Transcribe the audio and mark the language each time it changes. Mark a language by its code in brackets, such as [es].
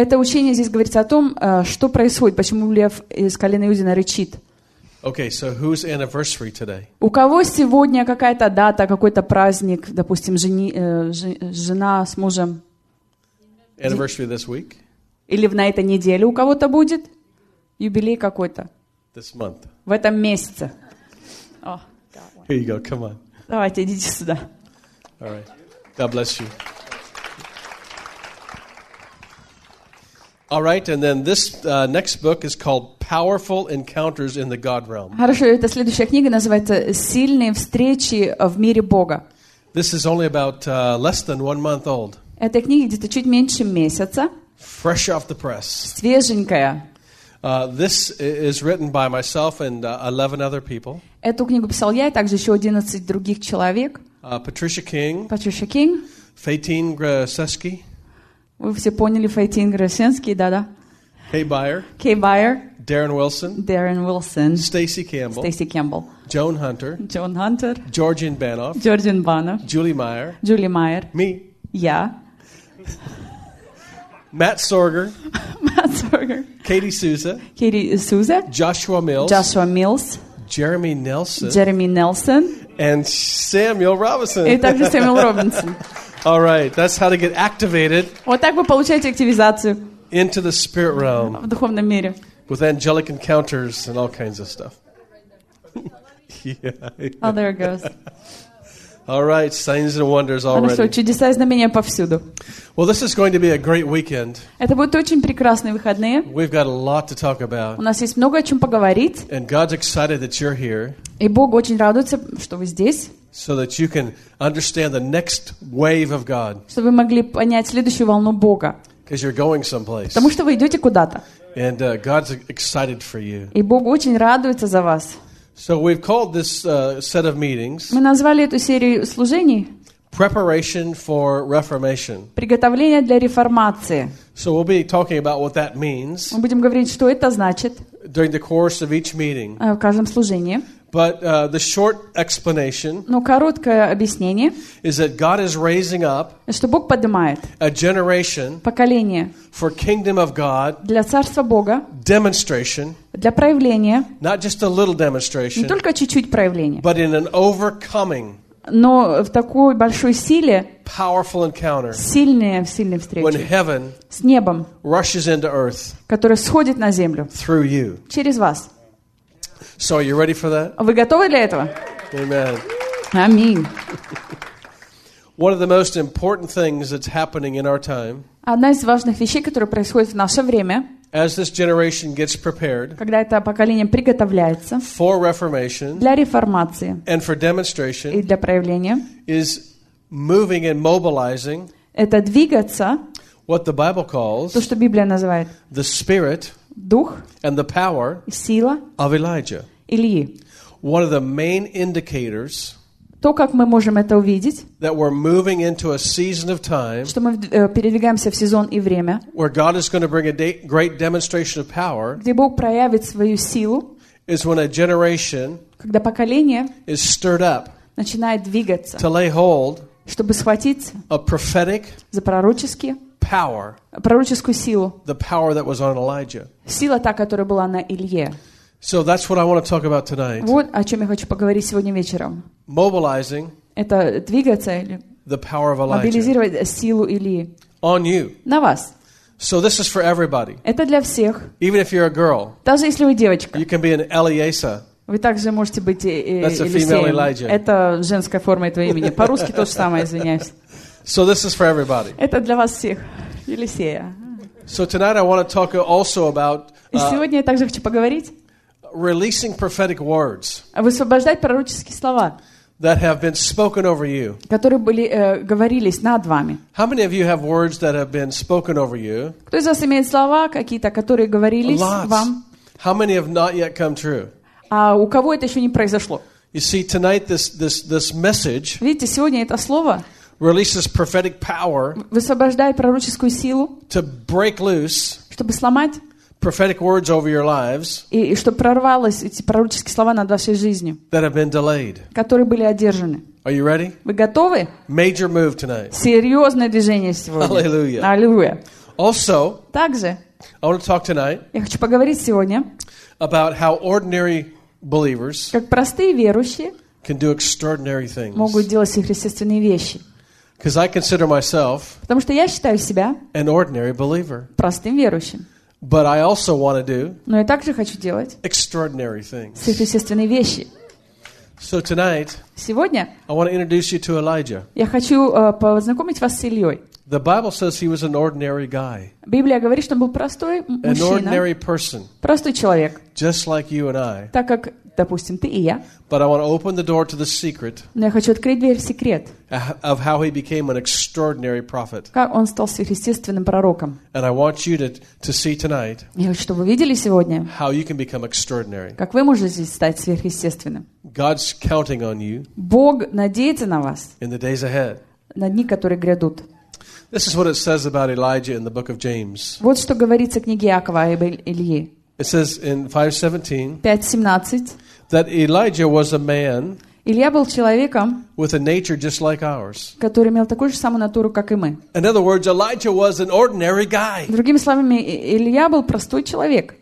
[ru] Это учение здесь говорится о том, что происходит, почему лев из колена Иудина рычит. [en] Okay, so who's anniversary today? [ru] У кого сегодня какая-то дата, какой-то праздник, допустим, жена с мужем? [en] Anniversary this week? [ru] Или на этой неделе у кого-то будет юбилей какой-то? [en] This month. [ru] В этом месяце. Oh, [en] God. Here you go. Come on. [ru] Давайте идите сюда. [en] All right. God bless you. All right, and then this next book is called Powerful Encounters in the God Realm. [ru] Хорошо, эта следующая книга называется Сильные встречи в мире Бога. [en] This is only about less than 1 month old. [ru] Этой книги где-то чуть меньше месяца. [en] Fresh off the press. [ru] Свеженькая. [en] This is written by myself and 11 other people. [ru] Эту книгу писал я и также еще 11 других человек. [en] Patricia King. Patricia King. Faitin Grzeski. [ru] Вы все поняли Faitin Grzeski, да-да. [en] Kay Byer. Kay Byer. Darren Wilson. Darren Wilson. Stacy Campbell. Stacy Campbell. Joan Hunter. Joan Hunter. Georgian Banoff. Georgian Banoff. Julie Meyer. Julie Meyer. Me. Yeah. Matt Sorger. Matt Sorger. Katie Souza. Katie Souza. Joshua Mills. Joshua Mills. Jeremy Nelson. Jeremy Nelson. And Samuel Robinson. [ru] И также Samuel Robinson. [en] All right, that's how to get activated. [ru] Вот так вы получаете активизацию. [en] Into the spirit realm. [ru] В духовном мире. [en] With angelic encounters and all kinds of stuff. Yeah. Oh, there it goes. All right, signs and wonders already. [ru] Хорошо, чудеса и знамения повсюду. [en] Well, this is going to be a great weekend. [ru] Это будут очень прекрасные выходные. [en] We've got a lot to talk about. [ru] У нас есть много о чем поговорить. [en] And God's excited that you're here. [ru] И Бог очень радуется, что вы здесь. [en] So that you can understand the next wave of God. [ru] Чтобы вы могли понять следующую волну Бога. [en] Because you're going someplace. [ru] Потому что вы идете куда-то. [en] And God's excited for you. [ru] И Бог очень радуется за вас. [en] So we've called this set of meetings. [ru] Мы назвали эту серию служений. [en] Preparation for Reformation. [ru] Приготовление для реформации. [en] So we'll be talking about what that means. [ru] Мы будем говорить, что это значит. [en] During the course of each meeting. [ru] В каждом служении. [en] But the short explanation [ru] Но короткое объяснение [en] is that God is raising up [ru] что Бог поднимает [en] a generation [ru] поколение [en] for kingdom of God [ru] для царства Бога [en] demonstration [ru] для проявления [en] not just a little demonstration [ru] не только чуть-чуть проявления [en] but in an overcoming [ru] но в такой большой силе [en] powerful encounter [ru] сильная в сильной встрече [en] when heaven [ru] с небом [en] rushes into earth [ru] которая сходит на землю [en] through you [ru] через вас. [en] So are you ready for that? [ru] Вы готовы для этого? [en] Amen. [ru] Аминь. [en] One of the most important things that's happening in our time. [ru] Одна из важных вещей, которая происходит в наше время. [en] As this generation gets prepared. [ru] Когда это поколение приготовляется. [en] For reformation. [ru] Для реформации. [en] And for demonstration. [ru] И для проявления. [en] Is moving and mobilizing. [ru] Это двигаться. [en] What the Bible calls. [ru] То, что Библия называет. [en] The Spirit. [ru] Дух [en] and the power [ru] и сила [en] of Elijah. [ru] Ильи. [en] One of the main indicators [ru] то, как мы можем это увидеть, [en] that we're moving into a season of time [ru] что мы передвигаемся в сезон и время, [en] where God is going to bring a great demonstration of power [ru] где Бог проявит свою силу, [en] is when a generation [ru] когда поколение [en] is stirred up [ru] начинает двигаться, [en] to lay hold [ru] чтобы схватить [en] a prophetic [ru] за пророческие [en] power [ru] пророческую силу [en] the power that was on Elijah [ru] сила та которая была на Илье [en] so that's what I want to talk about tonight [ru] вот о чём я хочу поговорить сегодня вечером [en] mobilizing [ru] это двигаться или [en] the power of Elijah [ru] мобилизировать силу Ильи [en] on you [ru] на вас [en] so this is for everybody [ru] это для всех [en] even if you're a girl [ru] даже если вы девочка [en] you can be an Eliezer [ru] вы также можете быть [en] that's a female Elijah [ru] это женская форма этого имени по-русски то же самое извиняюсь [en] So this is for everybody. [ru] Это для вас всех, Елисея. [en] So tonight I want to talk also about. [ru] И сегодня я также хочу поговорить. [en] Releasing prophetic words. [ru] Высвобождать пророческие слова. [en] That have been spoken over you. [ru] Которые были говорились над вами. [en] How many of you have words that have been spoken over you? [ru] Кто из вас имеет слова какие-то, которые говорились вам? [en] How many have not yet come true? [ru] А у кого это еще не произошло? [en] You see tonight this message. [ru] Видите сегодня это слово. [en] Releases prophetic power. [ru] Высвобождает пророческую силу. [en] To break loose. [ru] Чтобы сломать. [en] Prophetic words over your lives. [ru] И чтобы прорвались эти пророческие слова над вашей жизнью. [en] That have been delayed. [ru] Которые были одержаны. [en] Are you ready? [ru] Вы готовы? [en] Major move tonight. [ru] Серьезное движение сегодня. [en] Hallelujah. [ru] Hallelujah. [en] Also. [ru] Также. [en] I want to talk tonight. [ru] Я хочу поговорить сегодня. [en] About how ordinary believers. [ru] Как простые верующие. [en] Can do extraordinary things. [ru] Могут делать сверхъестественные вещи. [en] Because I consider myself [ru] Потому что я считаю себя [en] an ordinary believer. [ru] Простым верующим. [en] But I also want to do [ru] Но я также хочу делать [en] extraordinary things. [ru] Сверхъестественные вещи. [en] So tonight [ru] Сегодня [en] I want to introduce you to Elijah. [ru] Я хочу познакомить вас с Ильей. [en] The Bible says he was an ordinary guy. [ru] Библия говорит, что он был простой мужчина. [en] An ordinary person. [ru] Простой человек. [en] Just like you and I. [ru] Так как Допустим, ты и я. [en] But I want to open the door to the secret. [ru] Но я хочу открыть дверь в секрет. [en] Of how he became an extraordinary prophet. [ru] Как он стал сверхъестественным пророком. [en] And I want you to see tonight. [ru] Я хочу, чтобы вы видели сегодня. [en] How you can become extraordinary. [ru] Как вы можете стать сверхъестественным. [en] God's counting on you. [ru] Бог надеется на вас. [en] In the days ahead. [ru] На дни, которые грядут. [en] This is what it says about Elijah in the book of James. [ru] Вот что говорится в книге Иакова об Илье. [en] It says in 5:17 that Elijah was a man [ru] Илья был человеком [en] with a nature just like ours. [ru] Который имел такую же самую натуру, как и мы. [en] In other words, Elijah was an ordinary guy. [ru] Другими словами, Илья был простой человек.